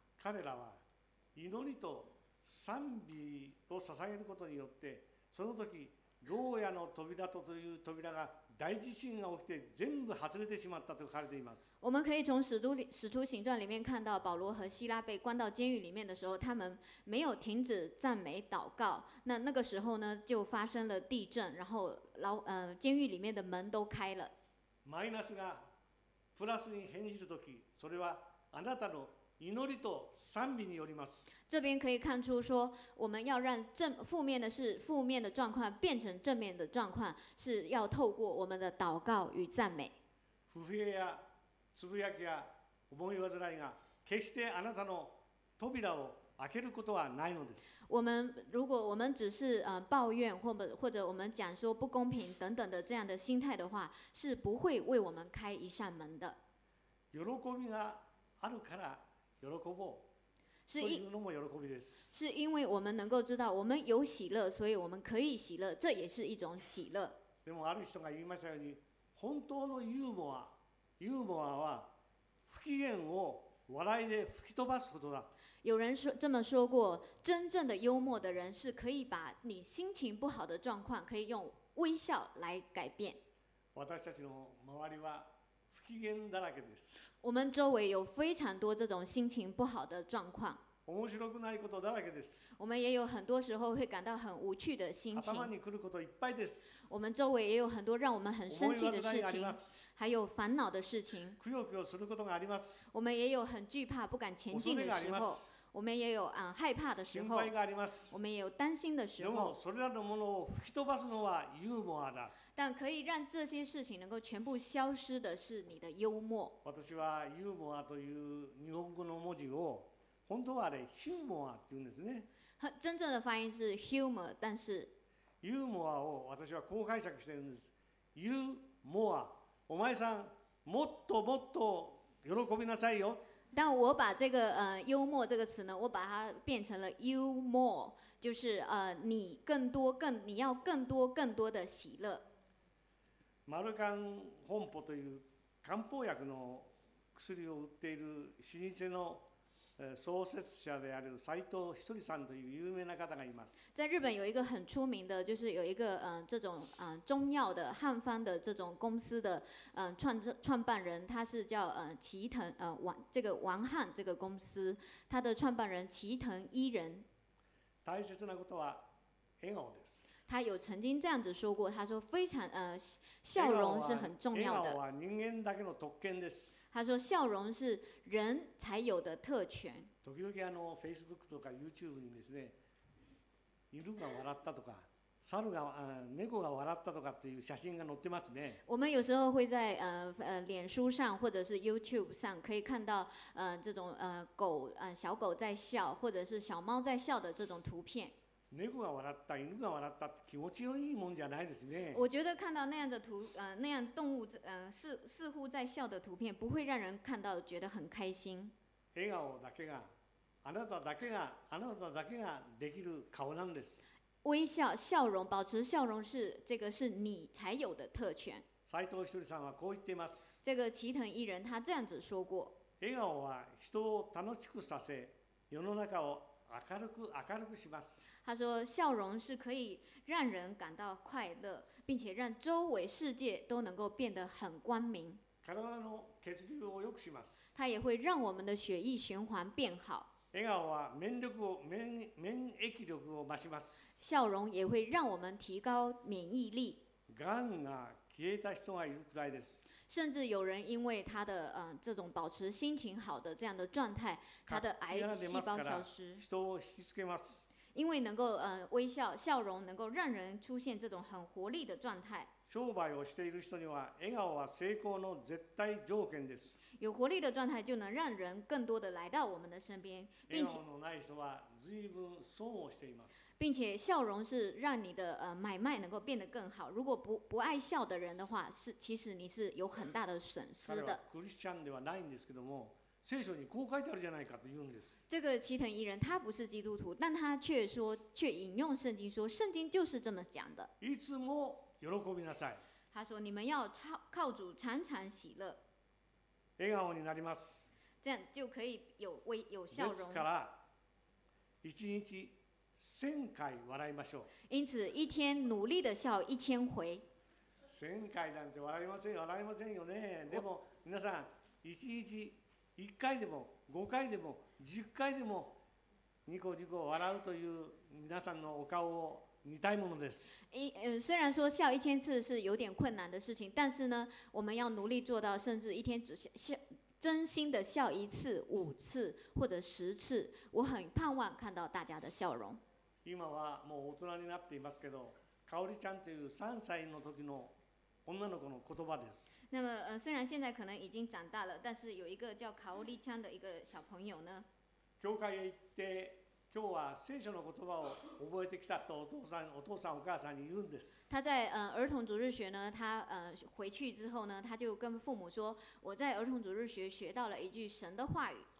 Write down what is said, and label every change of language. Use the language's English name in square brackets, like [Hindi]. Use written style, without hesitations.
[Japanese] 彼らは祈りと賛美を捧げることによって、その時牢屋の扉という扉が大地震が起きて全部外れてしまったと書かれています。 [Chinese] 我们可以从使徒行传里面看到保罗和希拉被关到监狱里面的时候，他们没有停止赞美祷告。那个时候呢，就发生了地震，然后监狱里面的门都开了。 [Japanese] マイナスがプラスに変じるとき、それはあなたの祈りと賛美によります。 [Chinese] 这边可以看出说，我们要让负面的状况变成正面的状况，是要透过我们的祷告与赞美。 [Japanese] 不平やつぶやきや思い煩いが決してあなたの扉を開けることはないのです。 [Chinese] 如果我们只是抱怨或者我们讲说不公平等等的这样的心态的话，是不会为我们开一扇门的。 [Japanese] 喜びがあるから喜ぼう。というのも喜びです。 [Chinese] 是因为我们能够知道我们有喜乐，所以我们可以喜乐，这也是一种喜乐。 [Japanese] でもある人が言いましたように、本当のユーモアは不機嫌を笑いで吹き飛ばすことだ。 [Chinese] 有人说这么说过，真正的幽默的人是可以把你心情不好的状况可以用微笑来改变。 [Japanese] 私たちの周りは不機嫌だらけです。 [Chinese] 我们周围有非常多这种心情不好的状况。 [Japanese] 面白くないことだらけです。 [Chinese] 我们也有很多时候会感到很无趣的心情。 [Japanese] 頭に来ることいっぱいです。 [Chinese] 我们周围也有很多让我们很生气的事情，还有烦恼的事情。 [Japanese] くよくよすることがあります。 [Chinese] 我们也有很惧怕不敢前进的时候。我们也有害怕的时候， [Japanese] 心配があります。 [Chinese] 我们也有担心的时候。 [Japanese] でもそれらのものを吹き飛ばすのはユーモアだ。 [Chinese] 但可以让这些事情能够全部消失的是你的幽默。 [Japanese] 私はユーモアという日本語の文字を本当はあれヒューモアって言うんですね。 [Chinese] 真正的发音是 humor， 但是 [Japanese] ユーモアを私はこう解釈してるんです。ユーモア、お前さんもっともっと喜びなさいよ。 [Chinese] 但我把这个幽默这个词呢，我把它变成了 [English] you more， [Chinese] 就是你更多更你要更多更多的喜乐。 [Japanese] マルカン本舗という漢方薬の薬を売っている老舗の創設者である斉藤ひとりさんという有名な方がいます。 [Chinese] 在日本有一个很出名的，就是有一个这种中药的汉方的这种公司的创办人，他是叫齐藤这个王汉这个公司，他的创办人齐藤一人。 [Japanese] 大切なことは笑顔です。 [Chinese] 他有曾经这样子说过，他说非常笑容是很重要的。 [Japanese] 笑顔は人間だけの特権です。 [Chinese] 他说笑容是人才有的特权。 [Japanese] 時々Facebook とか YouTube にですね、犬が笑ったとか、猿が猫が笑ったとかっていう写真が載ってますね。 [Chinese] 我们有时候会在脸书上或者是 YouTube 上可以看到这种狗小狗在笑或者是小猫在笑的这种图片。 [Japanese] 猫が笑った、犬が笑ったって気持ちのいいもんじゃないですね。 [Chinese] 我觉得看到那样的图，那样动物，似乎在笑的图片，不会让人看到觉得很开心。 [Japanese] 笑顔だけが、あなただけが、あなただけができる顔なんです。 [Chinese] 微笑、笑容、保持笑容是这个是你才有的特权。 [Japanese] 斉藤ひとりさんはこう言っています。 [Chinese] 这个齐藤一人他这样子说过。 [Japanese] 笑顔は人を楽しくさせ、世の中を明るくします。 [Chinese] 他说笑容是可以让人感到快乐，并且让周围世界都能够变得很光明。 [Japanese] 体の血流を良くします。 [Chinese] 他也会让我们的血液循环变好。 [Japanese] 笑顔は免疫力を増します。 [Chinese] 笑容也会让我们提高免疫力。 [Japanese] がんが消えた人がいるくらいです。 [Chinese] 甚至有人因为他的这种保持心情好的这样的状态，他的癌细胞消失。 [Japanese] 人を引きつけます。 [Chinese] 因为能够微笑笑容能够让人出现这种很活力的状态。 [Japanese] 商売をしている人には笑顔は成功の絶対条件です。 [Chinese] 有活力的状态就能让人更多的来到我们的身边，并且 [Japanese] 笑顔のない人は随分損をしています。 [Chinese] 并且笑容是让你的买卖能够变得更好。如果不爱笑的人的话，是其实你是有很大的损失的。 [Japanese] 彼はクリスチャンではないんですけども、聖書にこう書いてあるじゃないかと言うんです。 [Chinese] 这个齐藤一人他不是基督徒，但他却引用圣经说，圣经就是这么讲的。 [Japanese] いつも喜びなさい。 [Chinese] 他说你们要靠主常常喜乐。 [Japanese] 笑顔になります。 [Chinese] 这样就可以有笑容。 [Japanese] ですから一日千回笑いましょう。 [Chinese] 因此一天努力的笑一千回。 [Japanese] 千回なんて笑いませんよね。でも皆さん一日一回でも五回でも十回でもニコニコ笑うという皆さんのお顔を見たいものです。 [Chinese] 虽然说笑一千次是有点困难的事情，但是呢，我们要努力做到，甚至一天只笑真心的笑一次、五次或者十次，我很盼望看到大家的笑容。 [Japanese] 今はもう大人になっていますけど、香里ちゃんという三歳の時の女の子の言葉です。 [Chinese] 那么虽然现在可能已经长大了，但是有一个叫卡奥利枪的一个小朋友呢。 [Japanese] 教会へ行って、今日は聖書の言葉を覚えてきたとお父さんお母さんに言うんです。 [Chinese] 他在儿童主日学呢，他回去之后呢，他就跟父母说，我在儿童主日学学到了一句神的话语。